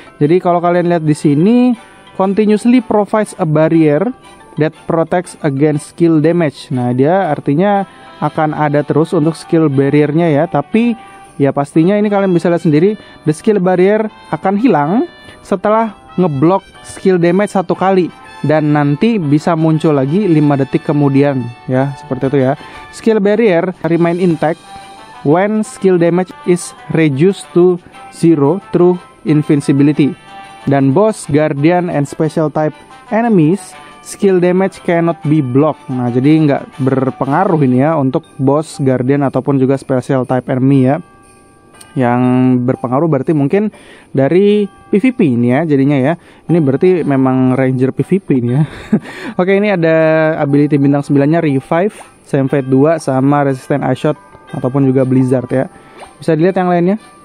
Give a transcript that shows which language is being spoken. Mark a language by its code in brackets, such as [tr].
[id] Jadi kalau kalian lihat di sini, [en] continuously provides a barrier that protects against skill damage. [id] Nah dia artinya akan ada terus untuk skill barriernya ya, tapi ya pastinya ini kalian bisa lihat sendiri, the skill barrier akan hilang setelah ngeblok skill damage satu kali dan nanti bisa muncul lagi 5 detik kemudian ya, seperti itu ya. [en] Skill barrier remain intact when skill damage is reduced to zero through invincibility. Dan boss, guardian, and special type enemies, skill damage cannot be blocked. [id] Nah, jadi nggak berpengaruh ini ya untuk boss, guardian, ataupun juga special type enemy ya. Yang berpengaruh berarti mungkin dari PvP ini ya jadinya ya. Ini berarti memang ranger PvP ini ya. Oke, ini ada ability bintang 9-nya, revive, same fate 2, sama resistant ice shot ataupun juga blizzard ya. Bisa dilihat yang lainnya.